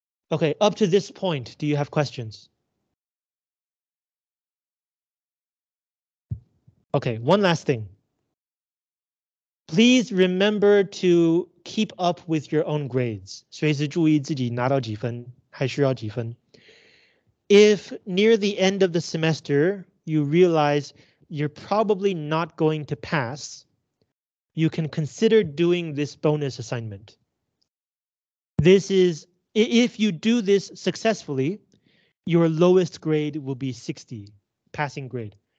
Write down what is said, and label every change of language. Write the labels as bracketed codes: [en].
[en] Okay, up to this point, do you have questions? Okay, one last thing. Please remember to keep up with your own grades. [zh] 随时注意自己拿到几分，还需要几分. [en] If near the end of the semester, you realize you're probably not going to pass, you can consider doing this bonus assignment. This is, if you do this successfully, your lowest grade will be 60, passing grade.